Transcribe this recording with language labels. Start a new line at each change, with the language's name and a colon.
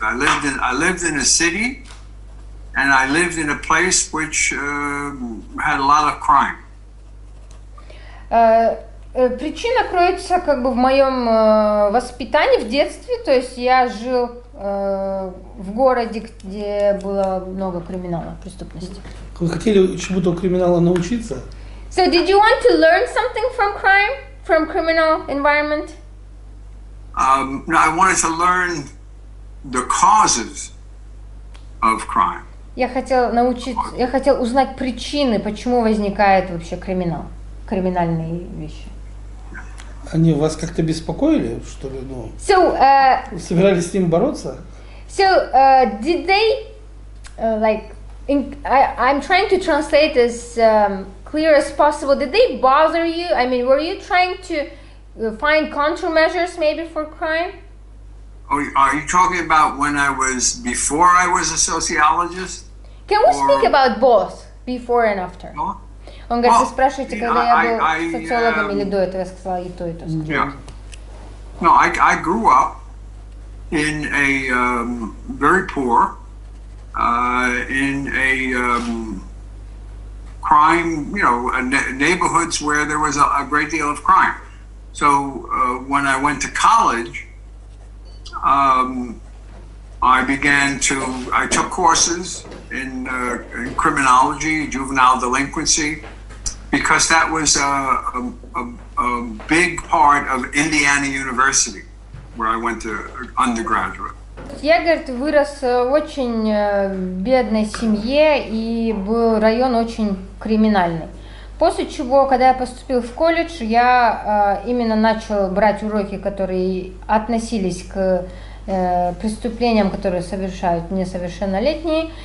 English: I lived in a city, and I lived in a place which had a lot of crime.
Russian: Причина кроется как бы в моем воспитании в детстве, то есть я жил в городе, где было много криминала, преступности. Вы хотели чему-то у криминала научиться?
English: So did you want to learn something from crime, from criminal environment? No, I wanted to learn the causes of crime.
Russian: Я хотел узнать причины, почему возникает вообще криминал, криминальные вещи. Они вас как-то беспокоили, что ли? Ну,
English: so,
Russian: собирались с ним бороться?
English: So, did they, I'm trying to translate as clear as possible. Did they bother you? I mean, were you trying to find countermeasures maybe for crime? Oh, are you talking about when I was, before I was a sociologist? Can we speak about both, before and after? Huh?
Russian: Он говорит, вы спрашиваете, когда я был социологом или до этого, я сказала и то, и то.
English: Yeah. No, I grew up in a very poor, in a crime, you know, neighborhoods where there was a great deal of crime. So when I went to college, I took courses in criminology, juvenile delinquency, because that was a big part of Indiana University, where I went to undergraduate.
Russian: Я, говорит, вырос в очень бедной семье, и был район очень криминальный. После чего, когда я поступил в колледж, я именно начал брать уроки, которые относились к преступлениям, которые совершают несовершеннолетние.